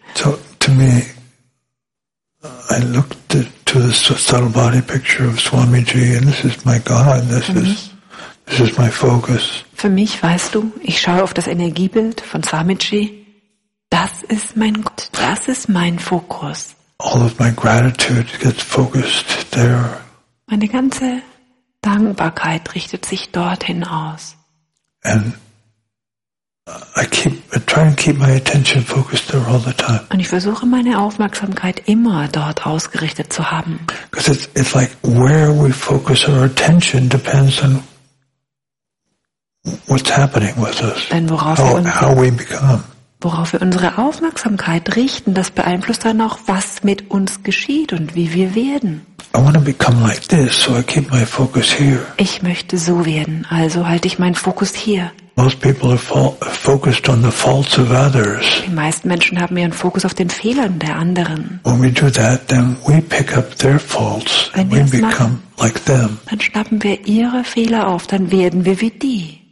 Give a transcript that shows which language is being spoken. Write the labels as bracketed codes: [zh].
[en] So, to me, I looked to the subtle body picture of Swamiji, and this is my God, this is my focus. [de] Für mich, weißt du, ich schaue auf das Energiebild von Swamiji, das ist mein Gott, das ist mein Fokus. [en] All of my gratitude gets focused there. [de] Meine ganze Dankbarkeit richtet sich dorthin aus. [en] And I try and keep my attention focused there all the time. [de] Und ich versuche meine Aufmerksamkeit immer dort ausgerichtet zu haben. [en] Because it's like where we focus our attention depends on what's happening with us. [de] Denn worauf wir worauf wir unsere Aufmerksamkeit richten, das beeinflusst dann auch, was mit uns geschieht und wie wir werden. [en] I want to become like this, so I keep my focus here. [de] Ich möchte so werden, also halte ich meinen Fokus hier. [en] Most people are focused on the faults of others. [de] Die meisten Menschen haben ihren Fokus auf den Fehlern der anderen. [en] When we do that, then we pick up their faults and we become like them. [de] Dann schnappen wir ihre Fehler auf, dann werden wir wie die.